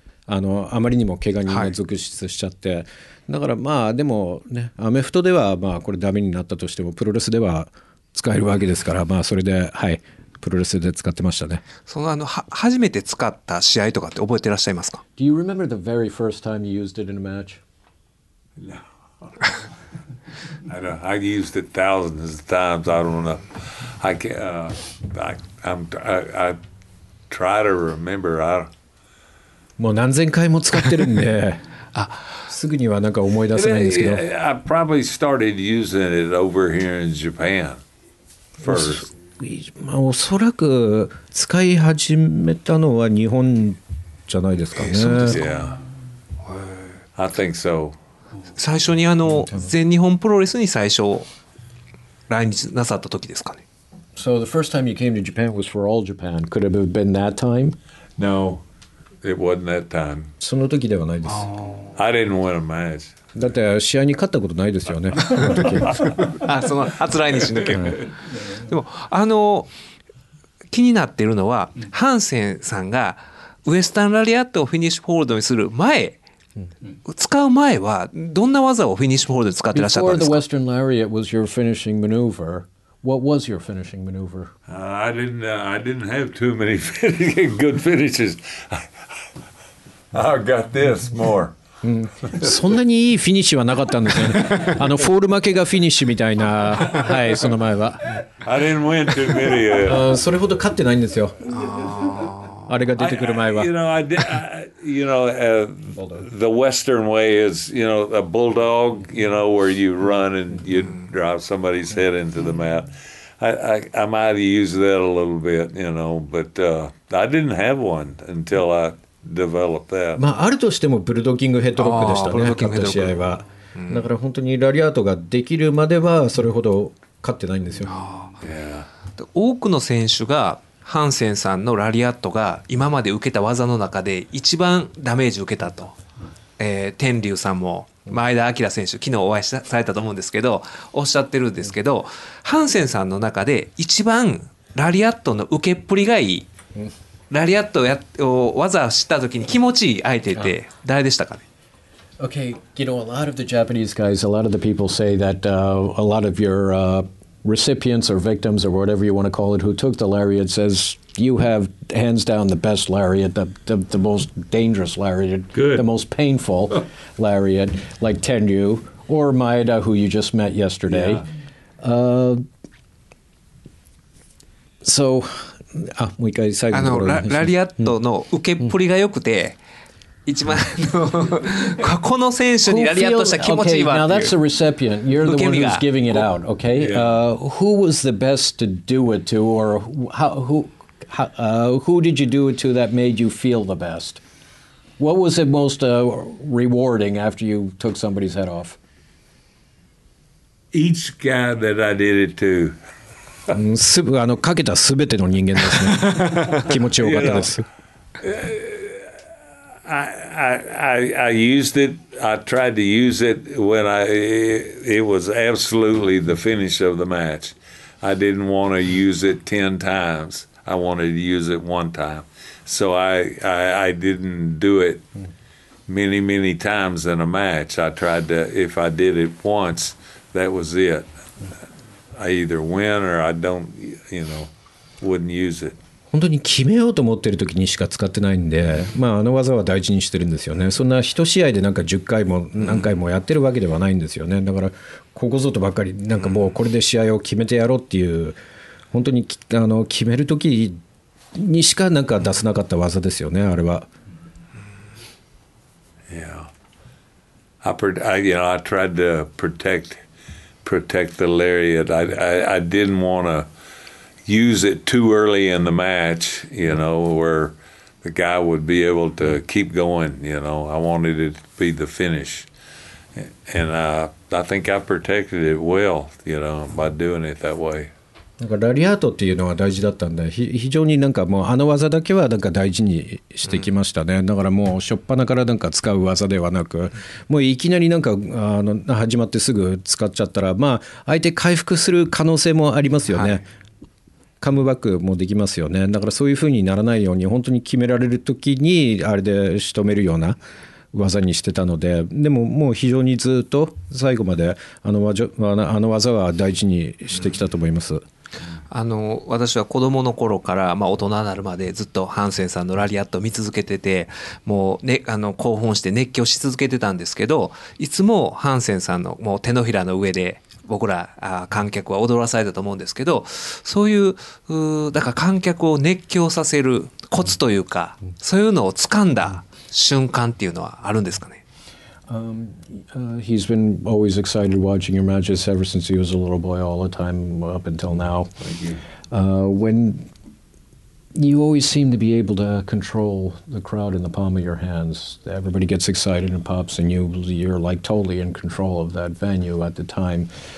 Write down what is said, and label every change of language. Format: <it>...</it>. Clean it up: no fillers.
<ja>あのあまりにも怪我人が続出しちゃって、はい、だからまあでもね、アメフトではまあこれダメになったとしてもプロレスでは使えるわけですから、まあそれで、はい、プロレスで使ってましたね。そのあの初めて使った試合とかって覚えてらっしゃいますか？</ja> <en>Do you remember the very first time you used it in a match? No. I know. I used it thousands of times. I don't know. I can't. I try to remember. I.</en> <ja>もう何千回も使ってるんで、あ、すぐにはなんか思い出せないんですけど。</ja> <en>I probably started using it over here in Japan first.</en> <ja>まあおそらく使い始めたのは日本じゃないですかね。そうですか。</ja> <en>Yeah. I think so.</en> <ja>最初にあの全日本プロレスに最初来日なさった時ですかね。</ja> <en>So the first time you came to Japan was for All Japan. Could it have been that time? No, it wasn't that time.</en> <ja>その時ではないです。</ja> <en>I didn't win a match.</en> <ja>だって試合に勝ったことないですよね。あ、その初来日の件。でもあの気になっているのはハンセンさんがウエスタンラリアットをフィニッシュホールドにする前。使う前はどんな技をフィニッシュホールドで使ってらっしゃったんですか?</ja> <en>Before the Western Lariat was your finishing maneuver. What was your finishing maneuver? I didn't have too many good finishes. I got this more.</en> <ja>そんなにいいフィニッシュはなかったんですね。あのフォール負けがフィニッシュみたいな、はい、その前は。</ja> <en>I didn't win too many.</en> <ja>それほど勝ってないんですよ。あれが出てくる前は。</ja> <en>The Western way is, you know, a bulldog, you know, where you run and you drive somebody's head into the mat. I might have used that a little bit, you know, but I didn't have one until I developed that.</en> <ja>まああるとしてもブルドキングヘッドロックでしたね、勝った試合は。だから本当にラリアートができるまではそれほど勝ってないんですよ。</ja> <en>Yeah.</en> <ja>多くの選手がハンセンさんのラリアットが今まで受けた技の中で一番ダメージ受けたと、天竜さんも前田明選手昨日お会いされたと思うんですけどおっしゃってるんですけど、ハンセンさんの中で一番ラリアットの受けっぷりがいい、ラリアットを技した時に気持ちいい相手って誰でしたかね。</ja> <en>Okay, you know, a lot of the Japanese guys, a lot of the people say that a lot of your recipients or victims or whatever you want to call it who took the lariat says you have hands down the best lariat, the most dangerous lariat. Good. The most painful lariat, like Tenryu or Maeda, who you just met yesterday. Yeah. So</en> <ja>ラリアットの受けっぷりが良くて、この選手にラリアットした気持ちいいわっていう。</ja> <en>Now that's a recipient. You're the one who's giving it out, okay? Who was the best to do it to, or who did you do it to that made you feel the best? What was it most rewarding after you took somebody's head off? Each guy that I did it to.</en> <ja>すぐかけたすべての人間ですね。気持ちよかったです。</ja> <en>I used it. I tried to use it when it was absolutely the finish of the match. I didn't want to use it 10 times. I wanted to use it one time. So I didn't do it many, many times in a match. I tried to, if I did it once, that was it. I either win or I don't, you know, wouldn't use it.</en> <ja>本当に決めようと思ってる時にしか使ってないんで、まあ、あの技は大事にしてるんですよね。そんな一試合でなんか10回も何回もやってるわけではないんですよね。だからここぞとばっかりなんかもうこれで試合を決めてやろうっていう、本当に決める時にしかなんか出せなかった技ですよね、あれは。</ja> <en>Yeah. I, you know, I tried to protect the lariat. I didn't want toUse it too early in the match, you know, where the guy would be able to keep going, you know. I wanted it to be the finish. And I think I protected it well, you know, by doing it that way.</en> <ja>なんかラリアートっていうのは大事だったんで、非常になんかもうあの技だけはなんか大事にしてきましたね。だからもう初っ端からなんか使う技ではなく、もういきなりなんか始まってすぐ使っちゃったら、まあ相手回復する可能性もありますよね。はい、カムバックもできますよね。だからそういう風にならないように、本当に決められる時にあれで仕留めるような技にしてたので、でももう非常にずっと最後まであの技は大事にしてきたと思います、うん、私は子供の頃から、まあ、大人になるまでずっとハンセンさんのラリアットを見続けてて、もう、ね、興奮して熱狂し続けてたんですけど、いつもハンセンさんのもう手のひらの上で僕ら観客は踊らされたと思うんですけど、そういう、だから観客を熱狂させるコツというか、そういうのをつかんだ瞬間っていうのはあるんですかね。</ja> <en>He's been always excited watching your matches ever since he was a little boy, all the time up until now. When you always seem to be able to control the crowd in the palm of your hands, everybody gets excited and pops, and you're like totally in control of that venue at the time.</en>